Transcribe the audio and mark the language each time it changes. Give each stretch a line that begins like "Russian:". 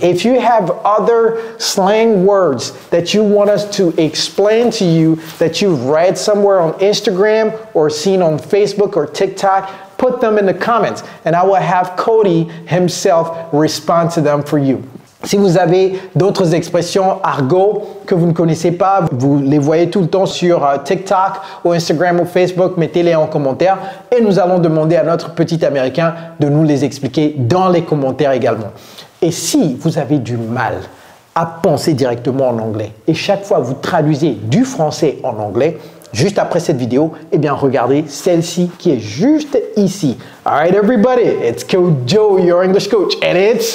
English: If you have other slang words that you want us to explain to you that you've read somewhere on Instagram or seen on Facebook or TikTok, put them in the comments and I will have Cody himself respond to them for you.
French: Si vous avez d'autres expressions argot que vous ne connaissez pas, vous les voyez tout le temps sur TikTok ou Instagram ou Facebook, mettez-les en commentaire et nous allons demander à notre petit Américain de nous les expliquer dans les commentaires également. Et si vous avez du mal à penser directement en anglais et chaque fois vous traduisez du français en anglais, juste après cette vidéo, eh bien, regardez celle-ci qui est juste ici.
English: All right, everybody, it's Coach Joe, your English coach, and it's